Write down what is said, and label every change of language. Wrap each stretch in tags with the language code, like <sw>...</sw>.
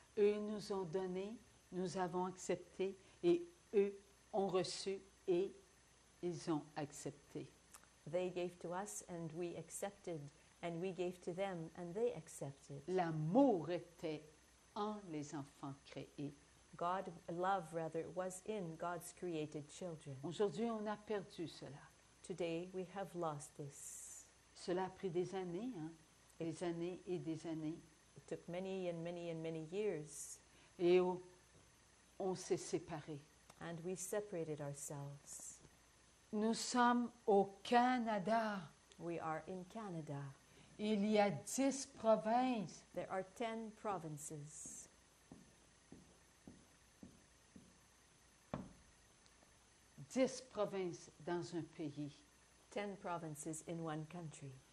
<fr>Eux nous ont donné, nous avons accepté, et eux ont reçu et ils ont accepté.</fr> <en>They gave to us and we accepted, and we gave to them and they accepted.</en> <fr>L'amour était en les enfants créés.</fr> <en>God, love rather, was in God's created children.</en> <fr>Aujourd'hui, on a perdu cela.</fr> <en>Today, we have lost this.</en> <fr>Cela a pris des années, hein? Des années et des années.</fr> <en>It took many and many and many years.</en> <fr>Et on s'est séparés.</fr> <en>And we separated ourselves.</en> <fr>Nous sommes au Canada.</fr> <en>We are in Canada.</en> <fr>Il y a 10 provinces.</fr> <en>There are 10 provinces.</en> <fr>Dix provinces dans un pays.</fr> <en>10 provinces in one country.</en>